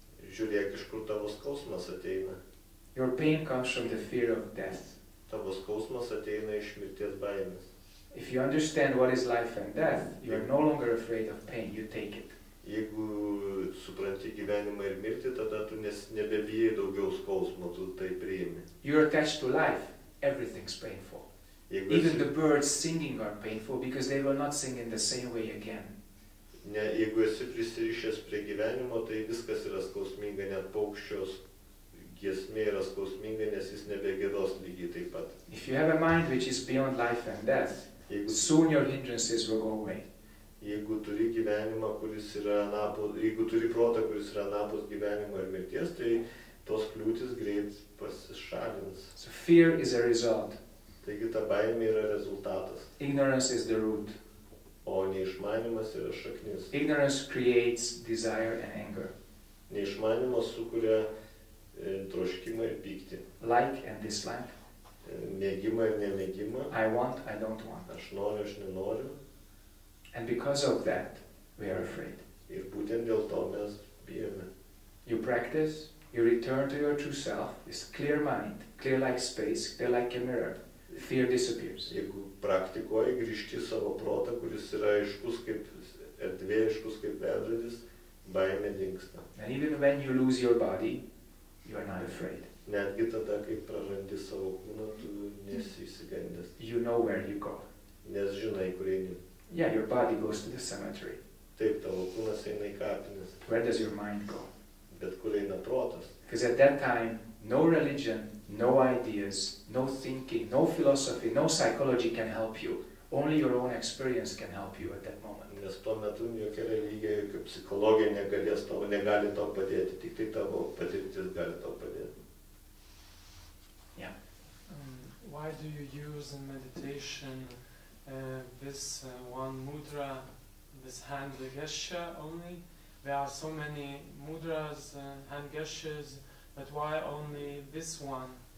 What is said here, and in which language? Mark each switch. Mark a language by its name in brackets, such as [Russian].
[Lithuanian] Žiūrėk, iš kur tavo skausmas ateina. [English] Your pain comes from the fear of death. [Lithuanian] Tavo skausmas ateina iš mirties baimės. [English] If you understand what is life and death, you are no longer afraid of pain, you take it. [Lithuanian] Jeigu supranti gyvenimą ir mirtį, tada tu nebebijai daugiau skausmo, tu tai priimi. [English] You are attached to life, everything's painful. Even the birds singing are painful because they will not sing in the same way again. [Lithuanian] Ne, jeigu esi prisirišęs prie gyvenimo, tai viskas yra skausminga, net paukščios giesmė yra skausminga, nes jis nebegėdos lygiai taip pat. [English] If you have a mind which is beyond life and death, soon your hindrances will go away. [Lithuanian] Jeigu turi gyvenimą, kuris yra anapus, jeigu turi protą, kuris yra anapus gyvenimo ir mirties, tai tos kliūtis greit pasišalins. [English] So fear is a result. [Lithuanian] Taigi ta baimė yra rezultatas. [English] Ignorance is the root. [Lithuanian] O neišmanimas yra šaknis. [English] Ignorance creates desire and anger. [Lithuanian] Neišmanimas sukuria troškimą ir pyktį. [English] Like and dislike. [Lithuanian] Mėgimą ir nemėgimą. [English] I want, I don't want. [Lithuanian] Aš noriu, aš nenoriu. [English] And because of that, we are afraid. [Lithuanian] Ir būtent dėl to mes bijame. [English] You practice, you return to your true self, this clear mind, clear like space, clear like a mirror. Fear disappears. [Lithuanian] Jeigu praktikuoji, grįžti savo protą, kuris yra aiškus kaip erdvė, aiškus kaip veidrodis, baimė dingsta. [English] And even when you lose your body, you are not afraid. [Lithuanian] Netgi tada, kai prarandi savo kūną, tu nesi įsigandęs. [English] You know where you go. [Lithuanian] Nes žinai, kur eini. [English] Yeah, your body goes to the cemetery. [Lithuanian] Taip, tavo kūnas eina į kapines. [English] Where does your mind go? [Lithuanian] Bet kur eina protas? [English] Because at that time, no religion, no ideas, no thinking, no philosophy, no psychology can help you. Only your own experience can help you at that moment. [Lithuanian] Nes tuo metu jokia religija, jokia psichologija negalės tau, negali tau padėti, tik tai tavo patirtis gali tau padėti. [English] Yeah. Why do you use in meditation this one mudra, this hand gesture only? There are so many mudras, hand gestures, but why only this one?